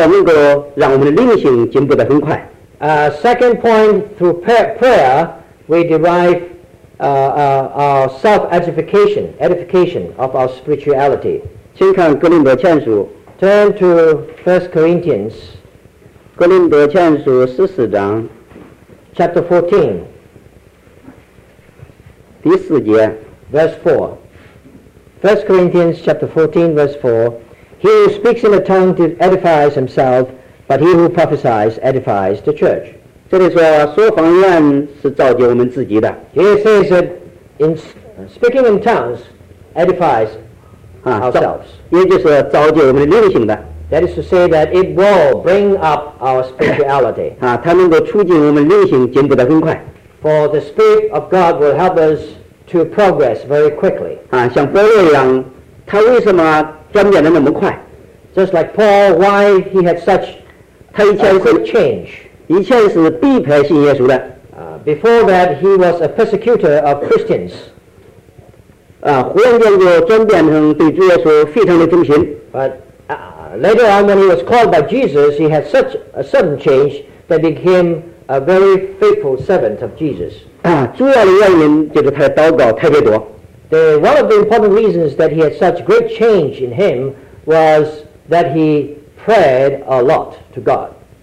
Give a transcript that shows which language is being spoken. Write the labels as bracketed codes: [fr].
[zh] 第二点,就是祷告能够让我们的灵性进步得很快。 [en] Second point, through prayer, we derive our self-edification, edification of our spirituality. Turn to 1 Corinthians, chapter 14, verse 4. 1 Corinthians, chapter 14, verse 4. He who speaks in a tongue edifies himself, but he who prophesies edifies the church. [zh] 这里说,说谎言是造就我们自己的。 [en] He says that in speaking in tongues edifies ourselves. [zh] 也就是造就我们的灵性的。 [en] That is to say that it will bring up our spirituality. [zh] 它能够促进我们灵性进步得很快。 [en] For the Spirit of God will help us to progress very quickly. [zh] 像保罗一样,他为什么转变得那么快? [en] Just like Paul, why he had such a quick change? [zh] 以前是逼迫信耶稣的, [en] before that, he was a persecutor of Christians. [zh] 忽然间就转变成对主耶稣非常的忠心。 [en] But later on, when he was called by Jesus, he had such a sudden change that became a very faithful servant of Jesus. [zh] 主要的原因就是他的祷告特别多。 [en] One of the important reasons that he had such great change in him was that he prayed a lot to God.